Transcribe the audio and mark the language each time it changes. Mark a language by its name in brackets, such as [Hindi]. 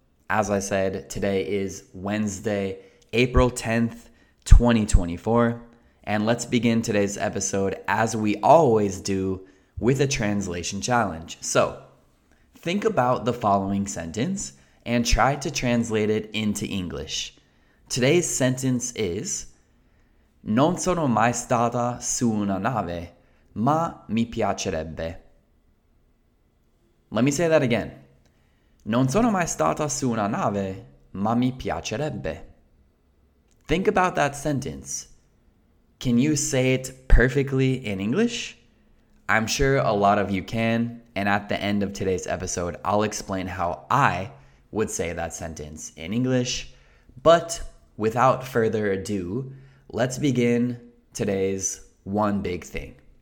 [English] As I said, today is Wednesday, April 10th, 2024. And let's begin today's episode, as we always do, with a translation challenge. So, think about the following sentence and try to translate it into English. Today's sentence is, [Italian] Non sono mai stata su una nave, ma mi piacerebbe. [English] Let me say that again. [Italian] Non sono mai stata su una nave, ma mi piacerebbe. [English] Think about that sentence. Can you say it perfectly in English? I'm sure a lot of you can, and at the end of today's episode, I'll explain how I would say that sentence in English. But without further ado, let's begin today's one big thing.